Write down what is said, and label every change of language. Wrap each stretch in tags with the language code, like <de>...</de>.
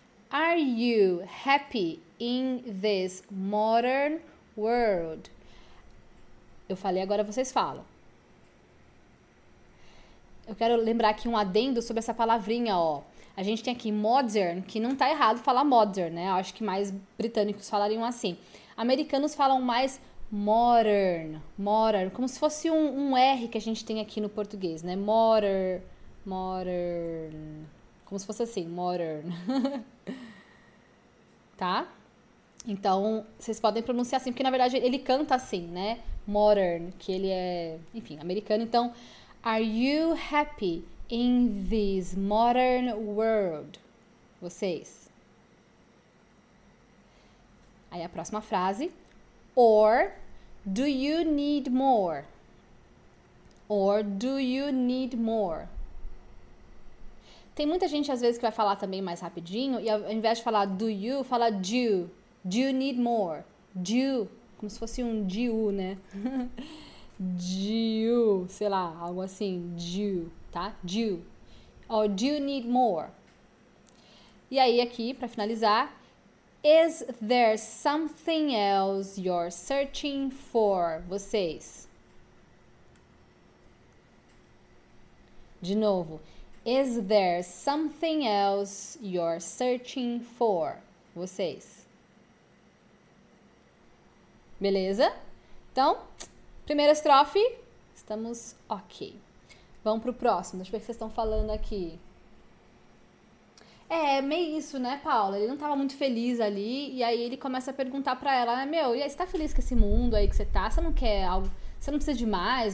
<en>Are you happy in this modern world?</en> <pt>Eu falei, agora vocês falam. Eu quero lembrar aqui um adendo sobre essa palavrinha, ó. A gente tem aqui modern, que não tá errado falar modern, né? Acho que mais britânicos falariam assim. Americanos falam mais modern, modern, como se fosse um R que a gente tem aqui no português, né? Modern, modern, como se fosse assim, modern. Tá? Então, vocês podem pronunciar assim, porque na verdade ele canta assim, né? Modern, que ele é, enfim, americano.</pt> <en>Então, are you happy in this modern world?</en> <pt>Vocês. Aí a próxima frase.</pt> <en>Or do you need more? Or do you need more?</en> <pt>Tem muita gente às vezes que vai falar também mais rapidinho e ao invés de falar do you, fala do.</pt> <en>Do you need more?</en> <pt>Do. Como se fosse um do, né? Do. Sei lá, algo assim. Do. Tá? Do.</pt> <en>Or do you need more?</en> <pt>E aí, aqui, para finalizar,</pt> <en>is there something else you're searching for? Vocês.</en> <pt>De novo.</pt> <en>Is there something else you're searching for?</en> <pt>Vocês. Beleza? Então, primeira estrofe, estamos ok. Vamos pro próximo. Deixa eu ver o que vocês estão falando aqui. É, meio isso, né, Paula? Ele não tava muito feliz ali. E aí ele começa a perguntar pra ela, né, meu, e aí, você tá feliz com esse mundo aí que você tá? Você não quer algo? Você não precisa de mais?</pt>